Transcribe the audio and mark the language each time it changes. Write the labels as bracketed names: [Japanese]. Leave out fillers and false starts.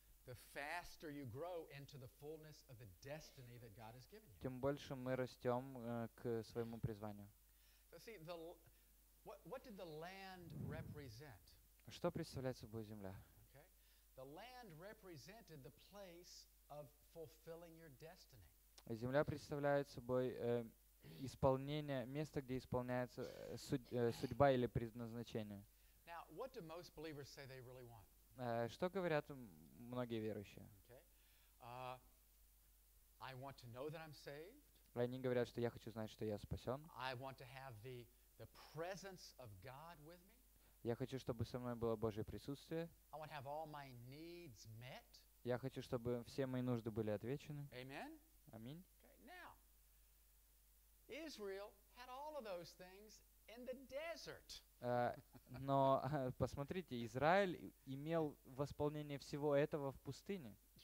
[English] the faster you grow into the fullness of the destiny that God has given you. [Russian] Тем больше мы растем к своему призванию. [English] So see, what did the land represent? [Russian] Что представляет собой земля? [English] Okay. The land represented the place of fulfilling your destiny. [Russian] Земля представляет собой исполнение, место, где исполняется судьба или предназначение. [English] Now, what do most believers say they really want? [Russian] Что говорят многие верующие? [English] Okay. I want to know that I'm saved. [Russian] Они говорят, что я хочу знать, что я спасен. [English] I want to have the presence of God with me. [Russian] Я хочу, чтобы со мной было Божье присутствие. [English] I want to have all my needs met. [Russian] Я хочу, чтобы все мои нужды были отвечены. [English] Amen. [Russian] Аминь. [English] Okay. Now, Israel had all of those things in the desert. [Russian] Но посмотрите, Израиль имел восполнение всего этого в пустыне.